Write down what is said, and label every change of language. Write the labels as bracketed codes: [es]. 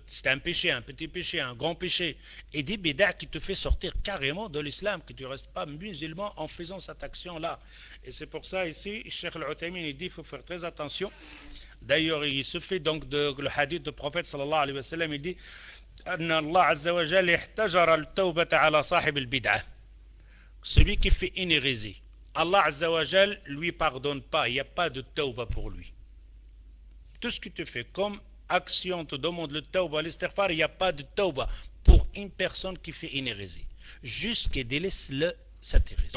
[fr] C'est un péché, un petit péché, un grand péché. Et des bid'a qui te fait sortir carrément de l'islam, que tu ne restes pas musulman en faisant cette action-là. Et c'est pour ça ici, Cheikh Al-Uthaymin dit qu'il faut faire très attention. D'ailleurs, il suffit donc de le hadith du prophète sallallahu alayhi wa sallam, il dit. [ar] أن الله عز وجل احتجر التوبة على صاحب البدعة. [fr] Celui qui fait une hérésie, الله عز وجل lui pardonne pas, il n'y a pas de tauba pour lui. Tout ce que tu fais comme action, te demande le tauba, l'istighfar, il n'y a pas de tauba pour une personne qui fait une hérésie. Juste qu'il délaisse-le cette hérésie.